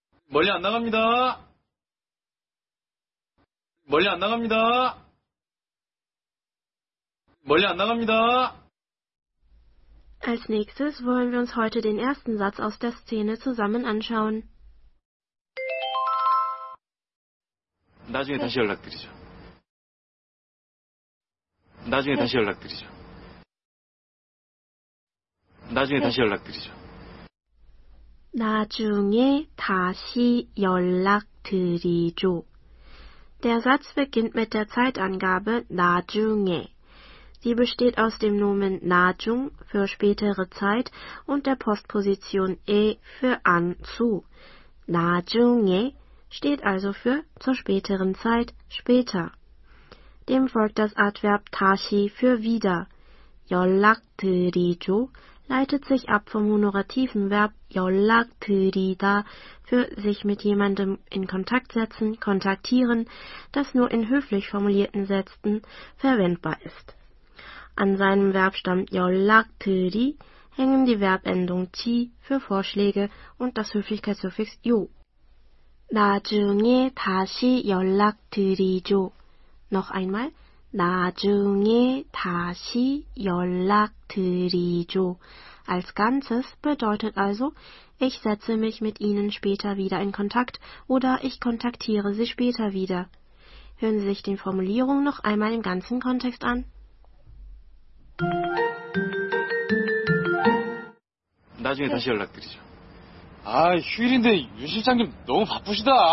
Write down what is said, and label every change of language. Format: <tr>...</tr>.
<ko>Molli annagamnida. 멀리 안 나갑니다. 멀리 안 나갑니다.</ko> <de>Als nächstes wollen wir uns heute den ersten Satz aus der Szene zusammen anschauen.</de> <ko>나중에 다시 연락드리죠. 나중에 다시 연락드리죠. 나중에 다시 연락드리죠. 나중에 다시 연락드리죠.</ko> <de>Der Satz beginnt mit der Zeitangabe 나중에. Sie besteht aus dem Nomen 나중 für spätere Zeit und der Postposition 에 für an, zu. 나중에 steht also für zur späteren Zeit, später. Dem folgt das Adverb 다시 für wieder. 연락드리죠 leitet sich ab vom honorativen Verb 연락드리다 für sich mit jemandem in Kontakt setzen, kontaktieren, das nur in höflich formulierten Sätzen verwendbar ist. An seinem Verbstamm 연락드리 hängen die Verbendung 지 für Vorschläge und das Höflichkeitssuffix 요.</de> <ko>나중에 다시 연락드리죠.</ko> <de>Noch einmal.</de> <ko>나중에 다시 연락드리죠.</ko> <de>Als Ganzes bedeutet also, ich setze mich mit Ihnen später wieder in Kontakt oder ich kontaktiere Sie später wieder. Hören Sie sich die Formulierung noch einmal im ganzen Kontext an.</de> <ko>나중에 다시 연락드리죠. 아, 휴일인데 유 실장님 너무 바쁘시다.</ko>